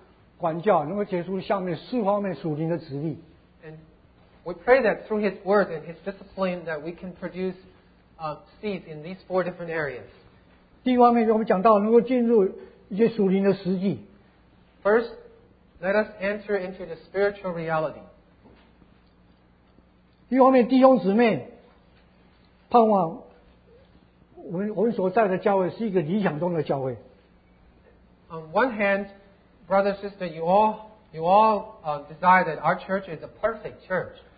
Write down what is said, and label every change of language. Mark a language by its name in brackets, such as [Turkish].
[Chinese] 因为神借他的话语的光照是你的管教，能够结出下面四方面属灵的旨意。 [English] And we pray that through his word and his discipline that we can produce seeds in these four different areas. [Chinese] 第一方面就我们讲到能够进入一些属灵的实际。 [English] First, let us enter into the spiritual reality. [Chinese] 一方面，弟兄姊妹盼望我们所在的教会是一个理想中的教会。 [English] On one hand, brother, sister, you all desire that our church is a perfect church.